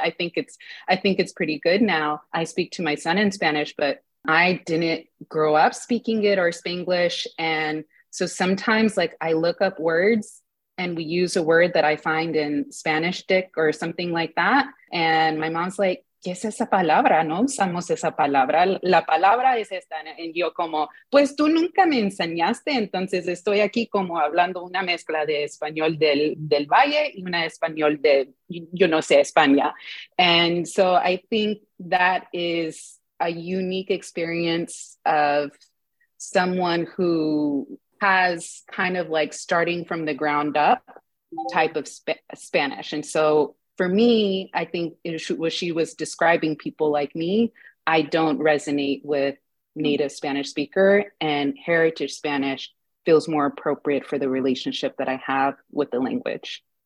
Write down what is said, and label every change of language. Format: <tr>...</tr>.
<en>I think it's pretty good now. I speak to my son in Spanish, but I didn't grow up speaking it or Spanglish. And so sometimes like I look up words and we use a word that I find in Spanish dick or something like that. And my mom's like,</en> <es>¿Qué es esa palabra? No usamos esa palabra. La palabra es esta. Y yo como, pues tú nunca me enseñaste. Entonces estoy aquí como hablando una mezcla de español del Valle y una español de, yo no sé, España.</es> <en>And so I think that is a unique experience of someone who has kind of like starting from the ground up type of Spanish. And so for me, I think what she was describing, people like me, I don't resonate with native Spanish speaker, and heritage Spanish feels more appropriate for the relationship that I have with the language.</en>